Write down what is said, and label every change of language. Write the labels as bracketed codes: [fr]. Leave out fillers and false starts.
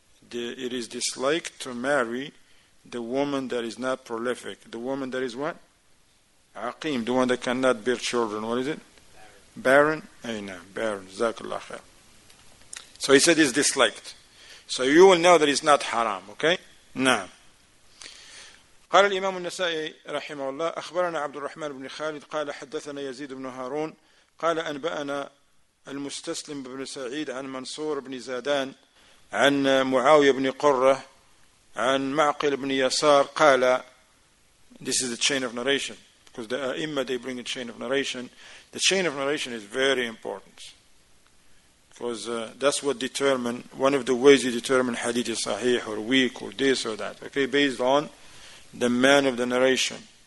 [en] It is dislike to marry the woman that is not prolific. The woman that is what? Aqim, the one that cannot bear children. What is it? Barren? Ayna, barren. Zakallah khair. So he said it's disliked. So you will know that it's not haram, okay? Naam. [ar] قال الإمام النسائي رحمه الله أخبرنا عبد الرحمن بن خالد قال حدثنا يزيد بن هارون قال أنبأنا المستسلم بن سعيد عن منصور بن زادان عن معاوية بن قرة عن معقل بن يسار قال [en] This is the chain of narration. Because the A'imma, they bring a chain of narration. The chain of narration is very important. Because that's what determine, one of the ways you determine hadith is sahih or weak or this or that. Okay, based on the man of the narration.